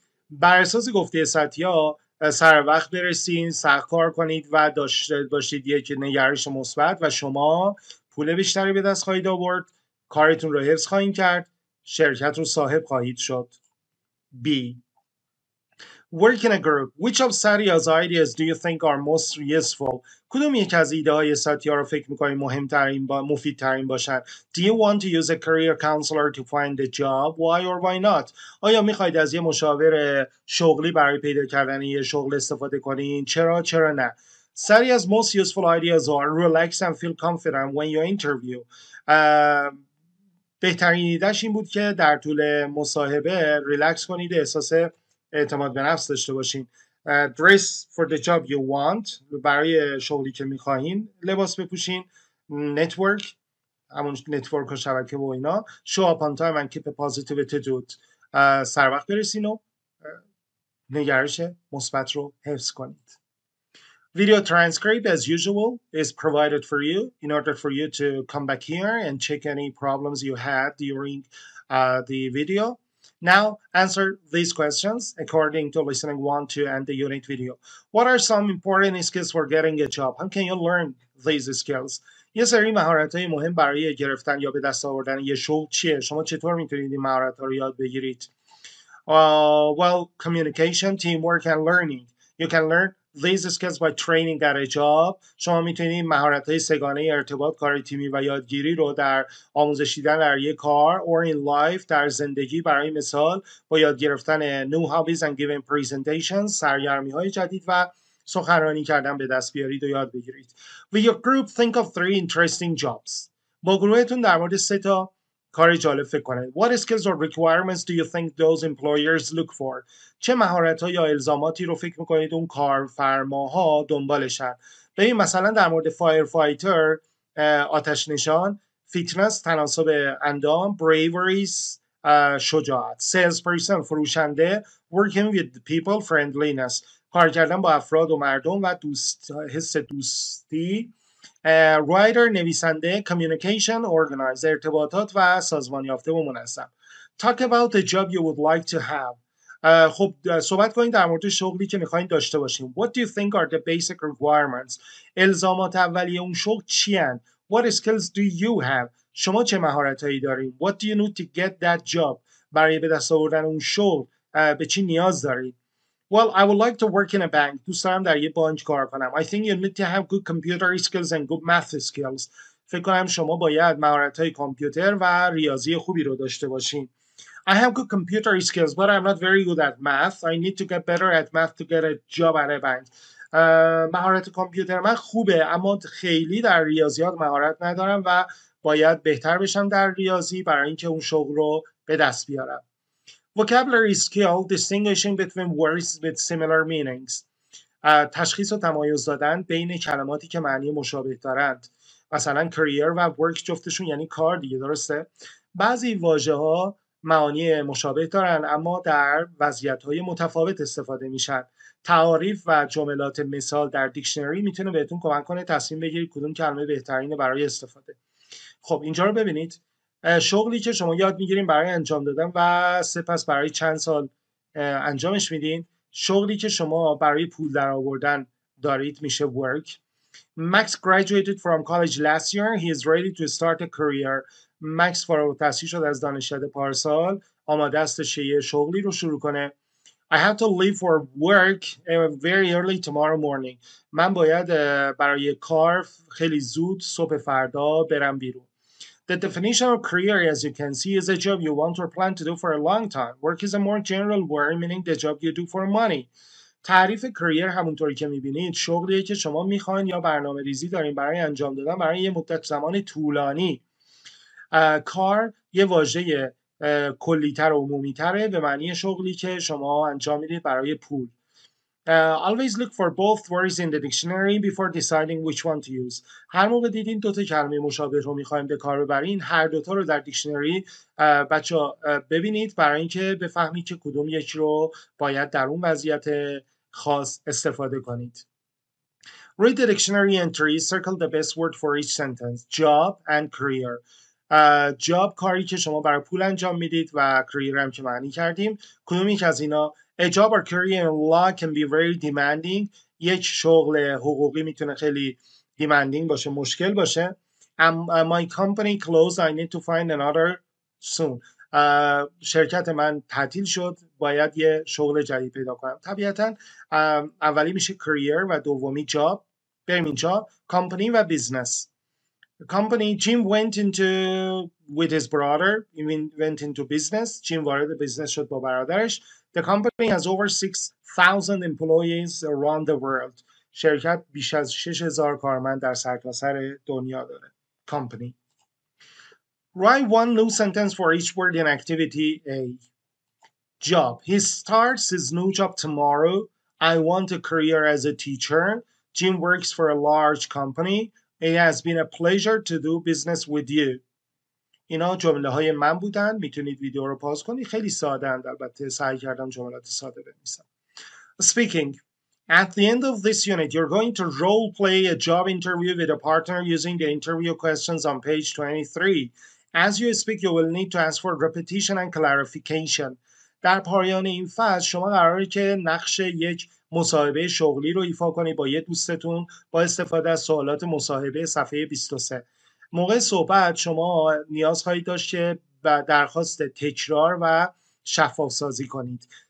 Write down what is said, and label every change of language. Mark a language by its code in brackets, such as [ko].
[fa] بر اساس گفته ساتیا، سر وقت برسین، سخت کار کنید و داشته باشید یک نگرش مثبت و شما پول بیشتری به دست خواهید آورد، کارتون رو حفظ خواهید کرد، شرکت رو صاحب خواهید شد. [en] B. Work in a group. Which of Satya's ideas do you think are most useful? [fa] کدوم یک از ایده های ساتیا رو فکر میکنید مهمترین مفیدترین باشن؟ [en] Do you want to use a career counselor to find a job? Why or why not? [fa] آیا میخواید از یه مشاور شغلی برای پیدا کردن یه شغل استفاده کنین؟ چرا؟ چرا نه؟ [en] Satya's most useful ideas are relax and feel confident when you interview. [fa] بهترین ایدهش این بود که در طول مصاحبه ریلکس کنید، احساس اعتماد به نفس داشته باشین. [en] Dress for the job you want. [fa] برای شغلی که میخواهین لباس بپوشین. Network. همون نتورک و شبکه و اینا. [en] Show up on time and keep a positive attitude. [fa] سر وقت برسین و نگرش مثبت رو حفظ کنید. [en] Video transcript, as usual, is provided for you in order for you to come back here and check any problems you had during the video. Now, answer these questions according to listening 1, 2, and the unit video. What are some important skills for getting a job? How can you learn these skills? [fa] یه سری مهارت‌های مهم برای گرفتن یا به دست آوردن یه شغل چیه؟ شما چطور میتونید این مهارت‌ها رو یاد بگیرید؟ [en] Well, communication, teamwork, and learning. You can learn these skills by training at a job. [fa] شما میتونید مهارت‌های سگانه ارتباط، کار تیمی و یادگیری رو در آموزش دیدن در یک کار [en] or in life [fa] در زندگی، برای مثال با یاد گرفتن [en] new hobbies and giving presentations، [fa] سرگرمی‌های جدید و سخنرانی کردن به دست بیارید و یاد بگیرید. [en] With your group, think of three interesting jobs. [fa] با گروهتون در مورد سه تا کار جالب فکر کنید. [en] What skills or requirements do you think those employers look for? [fa] چه مهارت‌ها یا الزاماتی رو فکر می‌کنید اون کارفرماها دنبالشن؟ ببین مثلا در مورد firefighter، آتش نشان، fitness، تناسب اندام، bravery، شجاعت، salesperson، فروشنده، [en] working with people، [fa] friendliness، کار کردن با افراد و مردم و دوست، حس دوستی، writer، نویسنده، communication، organizer، ارتباطات و سازمان یافته و منظم. [en] Talk about the job you would like to have. [fa] خب صحبت کنید در مورد شغلی که میخواین داشته باشیم. [en] What do you think are the basic requirements? [fa] الزامات اولیه اون شغل چی هن؟ [en] What skills do you have? [fa] شما چه مهارتهایی دارین؟ [en] What do you need to get that job? [fa] برای به دست آوردن اون شغل به چی نیاز دارید؟ [en] Well, I would like to work in a bank. [fa] دوست دارم در یه بانک کار کنم. [en] I think you need to have good computer skills and good math skills. [fa] فکر کنم شما باید مهارت‌های کامپیوتر و ریاضی خوبی رو داشته باشین. [en] I have good computer skills, but I'm not very good at math. I need to get better at math to get a job at a bank. [fa] مهارت کامپیوتر من خوبه، اما خیلی در ریاضیات مهارت ندارم و باید بهتر بشم در ریاضی برای اینکه اون شغل رو به دست بیارم. [en] Vocabulary skill, distinguishing between words with similar meanings. [fa] تشخیص و تمایز دادن بین کلماتی که معنی مشابه دارند. مثلا career و work جفتشون یعنی کار دیگه، درسته؟ بعضی واژه‌ها معانی مشابه دارن اما در وضعیت‌های متفاوت استفاده میشن. تعاریف و جملات مثال در دیکشنری میتونه بهتون کمک کنه تصمیم بگیرید کدوم کلمه بهترینه برای استفاده. خب اینجا رو ببینید. شغلی که شما یاد میگیرین برای انجام دادن و سپس برای چند سال انجامش میدین، شغلی که شما برای پول در آوردن دارید میشه work. [en] Max graduated from college last year. He is ready to start a career. [fa] Max فارغ التحصیل شد از دانشکده پارسال، آماده است یه شغلی رو شروع کنه. [en] I have to leave for work very early tomorrow morning. [fa] من باید برای کار خیلی زود صبح فردا برم بیرون. [en] The definition of career, as you can see, is a job you want or plan to do for a long time. Work is a more general word, meaning the job you do for money. [fa] تعریف کریر همونطوری که میبینید شغلیه که شما میخواین یا برنامه ریزی دارین برای انجام دادن برای یه مدت زمان طولانی. کار یه واژه کلیتر و عمومیتره به معنی شغلی که شما انجام میدید برای پول. [en] Always look for both words in the dictionary before deciding which one to use. [fa] هر موقع دیدین دوتا کلمه مشابه رو میخواییم به کار ببرین، هر دوتا رو در دیکشنری بچه ببینید برای اینکه بفهمید که کدوم یکی رو باید در اون وضعیت خاص استفاده کنید. [en] Read the dictionary entry, circle the best word for each sentence, job and career. [fa] Job کاری که شما برای پول انجام میدید و career هم که معنی کردیم. کدومی که از اینا؟ [en] A job or career in law can be very demanding. [fa] یک شغل حقوقی میتونه خیلی demanding باشه، مشکل باشه. [en] My company closed, I need to find another soon. [fa] شرکت من تعطیل شد، باید یه شغل جدید پیدا کنم. طبیعتاً اولی میشه career و دومی job. بریم اینجا company و business. Company, Jim went into with his brother, went into business. Jim وارد business شد با برادرش. [en] The company has over 6,000 employees around the world. [fa] شرکت بیش از 6,000 کارمند در سراسر دنیا داره. [en] Company. Write one new sentence for each word in activity A. Job. He starts his new job tomorrow. I want a career as a teacher. Jim works for a large company. It has been a pleasure to do business with you. [fa] اینا جمله های من بودن. میتونید ویدیو رو پاس کنید. خیلی ساده اند. البته سعی کردم جملات ساده بنویسم. [en] Speaking. At the end of this unit, you're going to role play a job interview with a partner using the interview questions on page 23. As you speak, you will need to ask for repetition and clarification. [fa] در پایان این فصل شما قراره که نقش یک مصاحبه شغلی رو ایفا کنید با یه دوستتون با استفاده از سوالات مصاحبه صفحه 23. موقع صحبت شما نیاز خواهید داشت که درخواست تکرار و شفاف سازی کنید.